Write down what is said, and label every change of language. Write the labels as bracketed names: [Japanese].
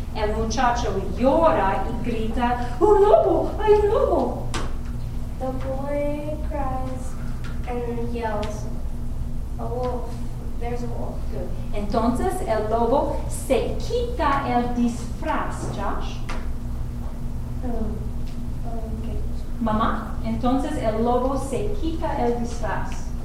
[Spanish] El muchacho llora y grita, un lobo, hay un lobo. [English] The boy cries and yells, a wolf, there's a wolf. Good. [Spanish] Entonces el lobo se quita el disfraz, Josh. [English] Okay. [Spanish] Mamá, entonces el lobo se quita el disfraz.